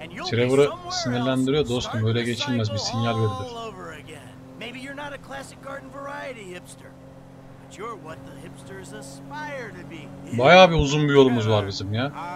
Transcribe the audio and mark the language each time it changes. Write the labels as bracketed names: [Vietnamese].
[Turkish] Trevor'ı sinirlendiriyor dostum, öyle geçilmez, bir sinyal verilir. [English] Maybe you're not a classic garden variety hipster, but you're what the hipsters aspire to be. [Turkish] Bayağı bir uzun bir yolumuz var bizim ya.